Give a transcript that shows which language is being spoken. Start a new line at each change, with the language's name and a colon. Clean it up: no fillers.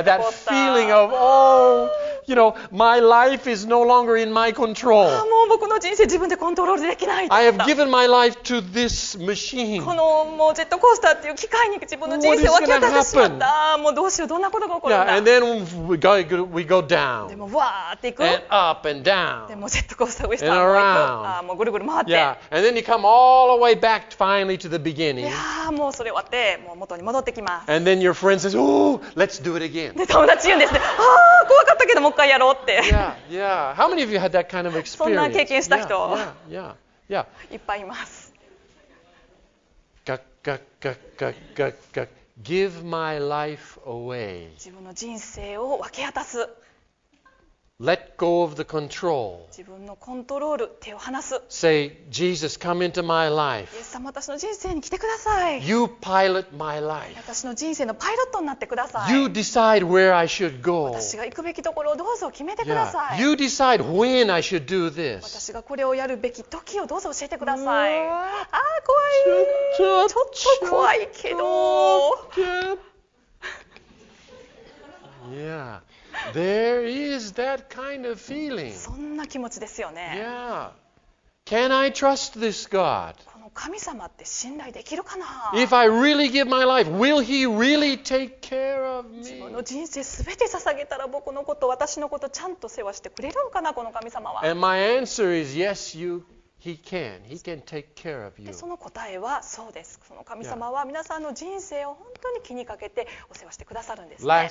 English: Yeah, yeah, that feeling of, oh, you know, my life is no longer in my control.
Japanese: もう僕の人生自分でコントロールできない。
English: I have given my life to this machine.
Japanese: このもうジェットコースターっていう機械に自分の人生を分け渡してしまった。もうどうしよう。どんなことが起こるんだ。
English: Yeah, and then we go down.
Japanese: でもわーっていく。
English: And up and down.
Japanese: でもジェットコースター上下。
English: And around.
Japanese: あ、もうぐるぐる回って。
English: Yeah, and then you come all the way back finally to the beginning.
Japanese: いやー、もうそれ終わって、もう元に戻ってきます。
English: And then your friend says, "Ooh, let's do it again."
Japanese: で、友達言うんですね。あー、怖かったけどもう一回やろうって。
English: Yeah, yeah. How many of you had that kind of experience?
Japanese: そんな経験した人。
English: Yeah, yeah, yeah.
Japanese: いっぱいいます。ガッガッガッガッガッガッ。
English: Give my life away.
Japanese: 自分の人生を分け渡す。
English: Let go of the control.
Japanese: 自分のコントロール、手を離す。
English: Say, Jesus, come into my life.
Japanese: イエス様、私の人生に来てください。
English: You pilot my life.
Japanese: 私の人生のパイロットになってください。
English: You decide where I should go.
Japanese: 私が行くべきところをどうぞ決めてください。
English: Yeah. You decide when I should do this.
Japanese: 私がこれをやるべき時をどうぞ教えてください。ああ、怖い。ちょっと怖いけど。
English: yeah. There is that kind of feeling.
Japanese: そんな気持ちですよね。
English: Yeah. Can I trust this God?
Japanese: この神様って信頼できるかな?
English: If I really give my life, will He really take care of me?
Japanese: 自分の人生すべて捧げたら僕のこと、私のことちゃんと世話してくれるのかな、この神様は。
English: And my answer is yes, you can. He can. He can take care of you.
Japanese: でその答えはそうです。その神様は皆さんの人生を本当に気にかけてお世話してくださるんですね。